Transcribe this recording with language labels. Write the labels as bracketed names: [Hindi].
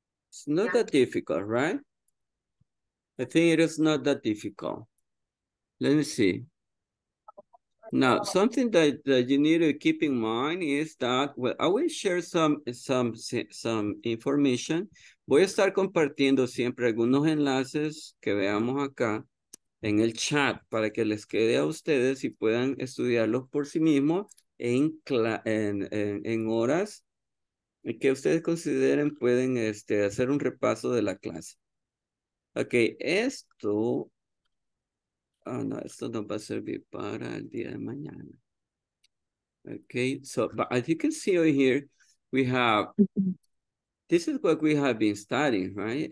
[English] It's not that difficult, right? I think it is not that difficult. Let me see. Now, something that you need to keep in mind is that, well, I will share some information. [Spanish] Voy a estar compartiendo siempre algunos enlaces que veamos acá en el chat para que les quede a ustedes y puedan estudiarlos por sí mismos en horas que ustedes consideren pueden hacer un repaso de la clase. Ok, esto... Oh, no, esto no va a servir para el día de mañana. [English] Okay, so, but as you can see over here, we have, this is what we have been studying, right?